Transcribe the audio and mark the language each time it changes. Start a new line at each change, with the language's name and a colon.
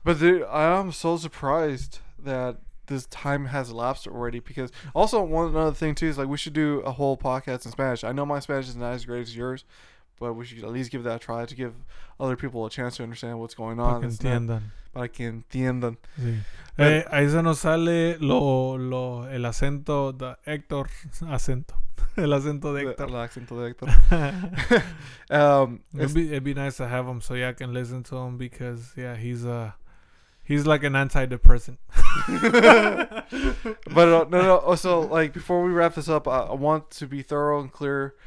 English: But dude, I am so surprised that this time has elapsed already. Because also, one other thing too is, like, we should do a whole podcast in Spanish. I know my Spanish is not as great as yours, but we should at least give that a try to give other people a chance to understand what's going on.
Spanish: Para que entiendan. Para que entiendan. Sí. Ahí se nos sale el acento de Héctor. Acento. El acento de Héctor. El acento de Héctor.
English: it'd be nice to have him so yeah, I can listen to him because, yeah, he's like an antidepressant. But also, like, before we wrap this up, I want to be thorough and clear.